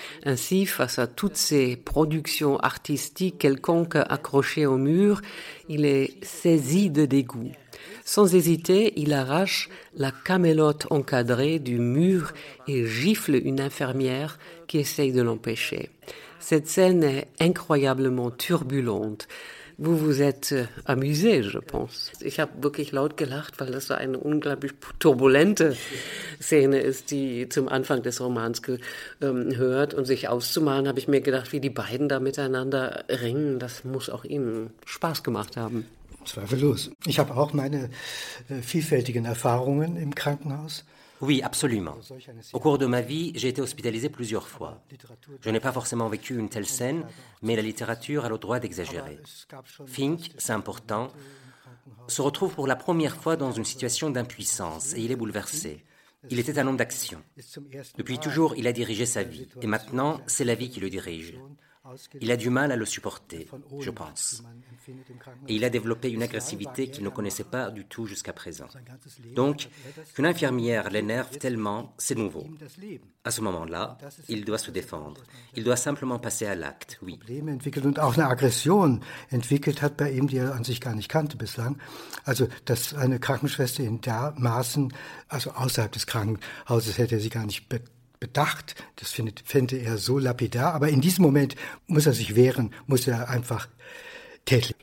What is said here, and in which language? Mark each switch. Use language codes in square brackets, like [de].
[fr] Ainsi, face à toutes ces productions artistiques quelconques accrochées au mur, il est saisi de dégoût. Sans hésiter, il arrache la camelote encadrée du mur et gifle une infirmière qui essaye de l'empêcher. Cette scène est incroyablement turbulente. Vous vous êtes amusé, je pense. [de] Ich habe wirklich laut gelacht, weil das so eine unglaublich turbulente Szene ist, die zum Anfang des Romans gehört. Und sich auszumalen, habe ich mir gedacht, wie die beiden da miteinander ringen, das muss auch ihnen Spaß gemacht haben. Zweifellos. Ich habe auch meine vielfältigen Erfahrungen im Krankenhaus. [fr] Oui, absolument. Au cours de ma vie, j'ai été hospitalisé plusieurs fois. Je n'ai pas forcément vécu une telle scène, mais la littérature a le droit d'exagérer. Fink, c'est important, se retrouve pour la première fois dans une situation d'impuissance et il est bouleversé. Il était un homme d'action. Depuis toujours, il a dirigé sa vie et maintenant, c'est la vie qui le dirige. Il a du mal à le supporter, je pense. Et il a développé une agressivité qu'il ne connaissait pas du tout jusqu'à présent. Donc, qu'une infirmière l'énerve tellement, c'est nouveau. À ce moment-là, il doit se défendre. Il doit simplement passer à l'acte, oui. [de] Und auch eine Aggression entwickelt hat bei ihm, die er an sich gar nicht kannte bislang. Also, dass eine Krankenschwester in dermaßen, also außerhalb des Krankenhauses, hätte er sie gar nicht bedacht. Das fände er so lapidar. Aber in diesem Moment muss er sich wehren, muss er einfach tätlich.